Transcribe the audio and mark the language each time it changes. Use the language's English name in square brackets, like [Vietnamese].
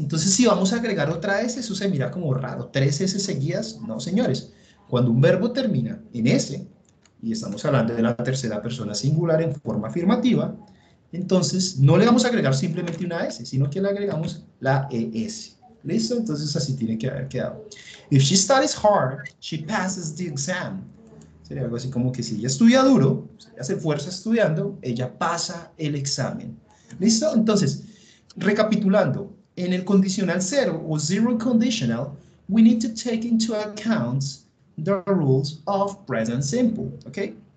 [Spanish] Entonces, si vamos a agregar otra S, eso se mira como raro, tres S seguidas. No, señores, cuando un verbo termina en S, y estamos hablando de la tercera persona singular en forma afirmativa, entonces, no le vamos a agregar simplemente una S, sino que le agregamos la ES. ¿Listo? Entonces, así tiene que haber quedado. [English] If she studies hard, she passes the exam. [Spanish] Sería algo así como que si ella estudia duro, si ella se esfuerza estudiando, ella pasa el examen. ¿Listo? Entonces, recapitulando, en el condicional cero o [English] zero conditional, we need to take into account the rules of present simple. ¿Ok?